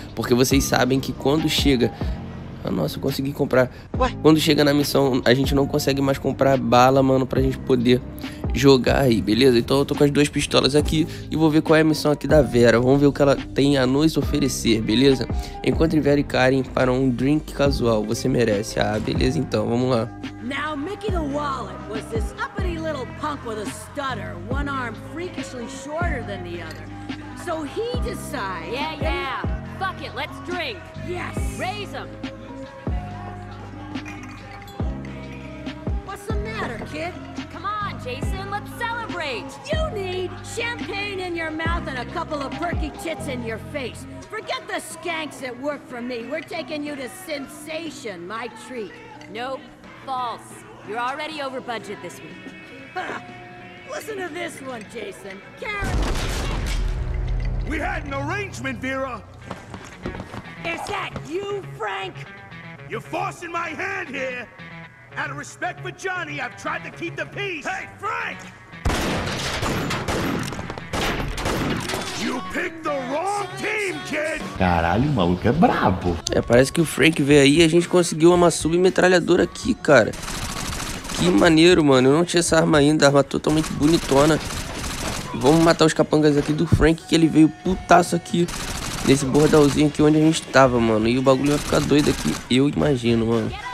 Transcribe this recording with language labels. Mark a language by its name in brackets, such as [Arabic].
[Portuguese] Porque vocês sabem que quando chega... Ah, nossa, eu consegui comprar. Ué? Quando chega na missão, a gente não consegue mais comprar bala, mano, pra gente poder jogar aí, beleza? Então eu tô com as duas pistolas aqui e vou ver qual é a missão aqui da Vera. Vamos ver o que ela tem a nos oferecer, beleza? Encontre Vera e Karen para um drink casual. Você merece. Ah, beleza, então. Vamos lá. [English] Now, Mickey the Wallet was this uppity little punk with a stutter, one arm freakishly shorter than the other. So he decides... Yeah, yeah. Fuck it, let's drink. Yes. Raise him. What's the matter, kid? Come on, Jason, let's celebrate. You need champagne in your mouth and a couple of perky tits in your face. Forget the skanks that work for me. We're taking you to Sensation, my treat. Nope, false. You're already over budget this week. Listen to this one, Jason. Karen... We had an arrangement, Vera. Is that you, Frank? You're forcing my hand here. Out of respect for Johnny, I've tried to keep the peace. Hey, Frank! You picked the wrong team, kid! [Portuguese] Caralho, o maluco é brabo. É, parece que o Frank veio aí e a gente conseguiu uma submetralhadora aqui, cara. Que maneiro, mano. Eu não tinha essa arma ainda, arma totalmente bonitona. Vamos matar os capangas aqui do Frank, que ele veio putaço aqui. Nesse bordãozinho aqui onde a gente tava, mano. E o bagulho vai ficar doido aqui, eu imagino, mano.